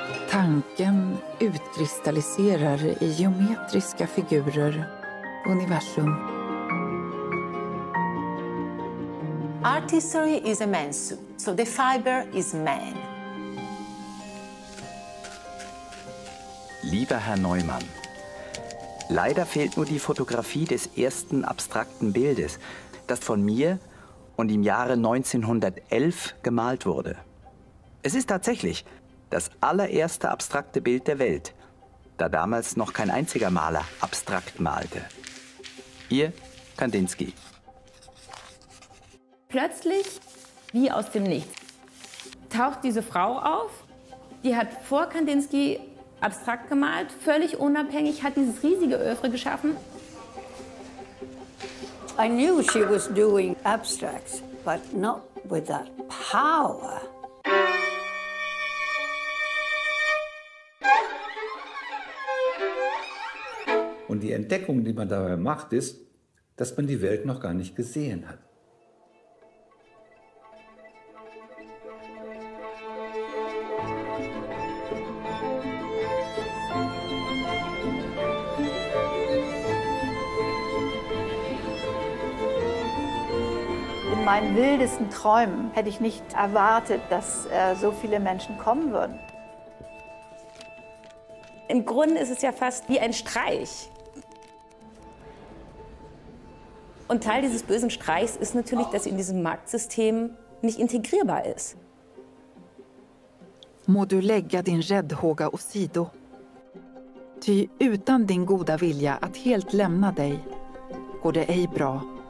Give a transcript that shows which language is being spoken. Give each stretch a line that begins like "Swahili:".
Swedish: Tanken utkristalliserar i geometriska figurer på universum.
English: Artistry is a man's suit, so the fiber is man.
German: Lieber Herr Neumann, leider fehlt nur die Fotografie des ersten abstrakten Bildes, das von mir und im Jahre 1911 gemalt wurde. Es ist tatsächlich das allererste abstrakte Bild der Welt, da damals noch kein einziger Maler abstrakt malte. Ihr Kandinsky. Plötzlich, wie aus dem Nichts, taucht diese Frau auf, die hat vor Kandinsky abstrakt gemalt, völlig unabhängig, hat dieses riesige Oeuvre geschaffen.
English: I knew she was doing abstracts, but not with that power.
German: Und die Entdeckung, die man dabei macht, ist, dass man die Welt noch gar nicht gesehen hat. In meinen wildesten Träumen hätte ich nicht erwartet, dass so viele Menschen kommen würden. Im Grunde ist es ja fast wie ein Streich. Und Teil dieses bösen Streichs ist natürlich, dass sie in diesem Marktsystem nicht integrierbar ist.
Swedish: Må du lägga din räddhåga åsido. Ty utan din goda vilja att helt lämna dig, går det ej bra.